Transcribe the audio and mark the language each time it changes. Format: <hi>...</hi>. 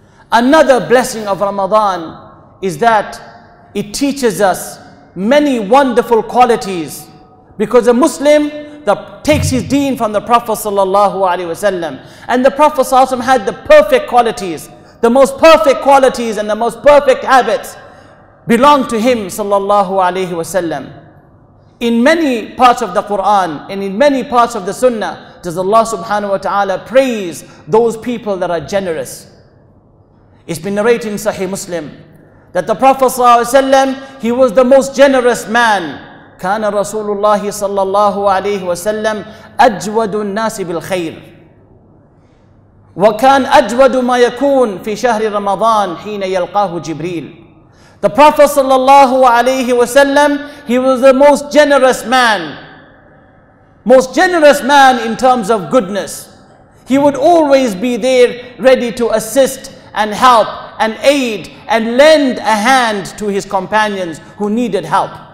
<en>Another blessing of Ramadan is that it teaches us many wonderful qualities, because a Muslim that takes his deen from the Prophet sallallahu alaihi wasallam, and the Prophet sallallahu alaihi wasallam had the perfect qualities, the most perfect qualities and the most perfect habits belong to him sallallahu alaihi wasallam. In many parts of the Quran and in many parts of the Sunnah does Allah subhanahu wa ta'ala praise those people that are generous. It's been narrated in Sahih Muslim that the Prophet sallallahu alaihi wasallam, he was the most generous man.</en> <ar>كان رسول الله صلى الله عليه وسلم أجود الناس بالخير وكان أجود ما يكون في شهر رمضان حين يلقاه جبريل.</ar> <en>The Prophet</en> <ar>صلى الله عليه وسلم,</ar> <en>he was the most generous man. Most generous man in terms of goodness. He would always be there ready to assist and help and aid and lend a hand to his companions who needed help.</en>